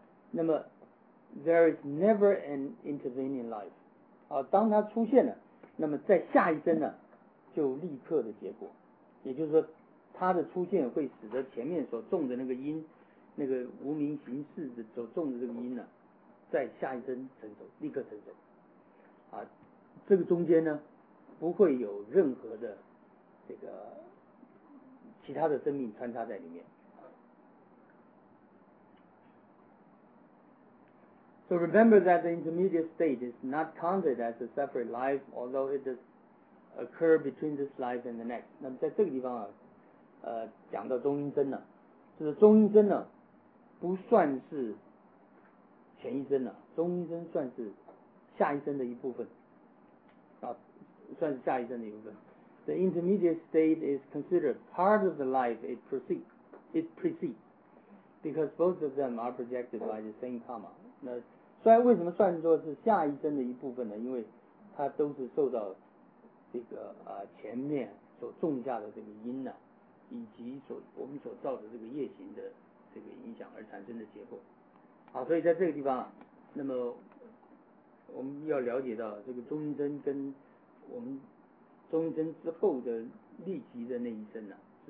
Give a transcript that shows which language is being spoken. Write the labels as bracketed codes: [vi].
[zh] 那么 [en] there is never an intervening life、 [zh] 啊、当它出现了，那么在下一生呢就立刻的结果，也就是说它的出现会使得前面所种的那个因，那个无名行事的所种的这个因呢，在下一生成熟，立刻成熟，啊，这个中间呢，不会有任何的这个其他的生命穿插在里面。 [en] So remember that the intermediate state is not counted as a separate life, although it does occur between this life and the next. [zh] 那么在这个地方啊，讲到中阴身呢，就是中阴身呢，不算是。前一生呢、啊，中一生算是下一生的一部分，啊，算是下一生的一部分。 [en] The intermediate state is considered part of the life it precedes, because both of them are projected by the same karma. [zh] 那虽然为什么算作是下一生的一部分呢？因为它都是受到这个前面所种下的这个因呢、啊，以及我们所造的这个业行的这个影响而产生的结果。好，所以在这个地方，那么我们要了解到这个中阴身跟我们中阴身之后的立即的那一身呢、啊，